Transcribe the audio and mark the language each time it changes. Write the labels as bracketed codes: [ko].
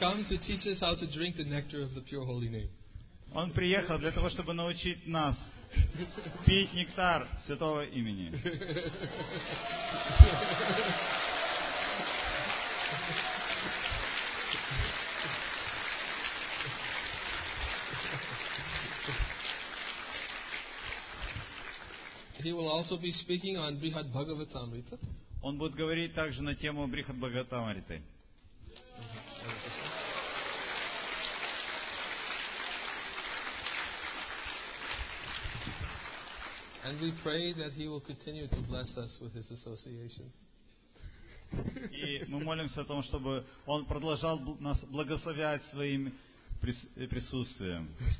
[en] To teach us how to drink the nectar of the pure holy name. [ru] Он приехал для того, чтобы научить нас пить нектар святого имени. [en] He will also be speaking on Brihad Bhagavatamrita. [ru] Он будет говорить также на тему Брихад Бхагаватамриты. [en] And we pray that he will continue to bless us with his association. [ru] И мы молимся о том, чтобы он продолжал нас благословлять своим присутствием.